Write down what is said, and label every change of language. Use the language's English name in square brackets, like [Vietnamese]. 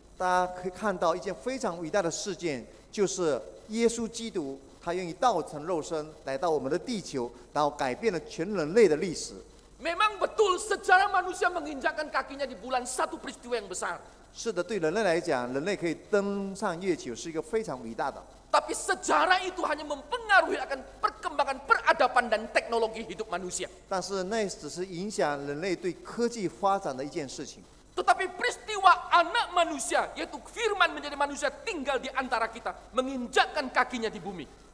[Chinese] 大家可以看到一件非常伟大的事件，就是耶稣基督他愿意道成肉身来到我们的地球，然后改变了全人类的历史。 [Indonesian] Memang betul sejarah manusia menginjakkan kakinya di bulan satu peristiwa yang besar. [Chinese] 是的，对人类来讲，人类可以登上月球是一个非常伟大的。 [Indonesian] Tapi sejarah itu hanya mempengaruhi akan perkembangan peradaban dan teknologi hidup manusia. [Chinese] 但是那只是影响人类对科技发展的一件事情。 [Indonesian] Tetapi peristiwa anak manusia, yaitu Firman menjadi manusia tinggal di antara kita, menginjakkan kakinya di bumi.